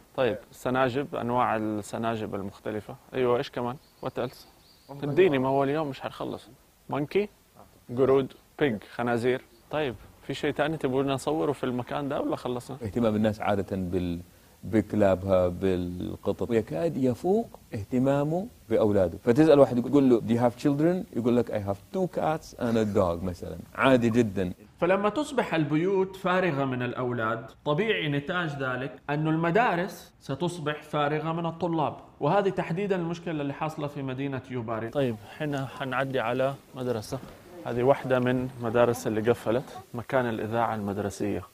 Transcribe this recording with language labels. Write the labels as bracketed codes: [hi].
[ar] طيب السناجب، أنواع السناجب المختلفة. أيوة إيش كمان؟ [en] What else؟ [ar] اديني، ما هو اليوم مش هنخلص. مونكي، قرود، بيج، خنازير. طيب في شيء تاني تبغون نصوره في المكان ده ولا خلصنا؟ اهتمام الناس عادة بكلابها بالقطط يكاد يفوق اهتمامه بأولاده. فتسأل واحد يقول له [en] Do you have children؟ [ar] يقول لك [en] I have two cats and a dog [ar] مثلا، عادي جدا. فلما تصبح البيوت فارغة من الأولاد، طبيعي نتاج ذلك أن المدارس ستصبح فارغة من الطلاب، وهذه تحديدا المشكلة اللي حاصلة في مدينة يوباري. طيب حنا حنعدي على مدرسة، هذه واحدة من مدارس اللي قفلت، مكان الإذاعة المدرسية.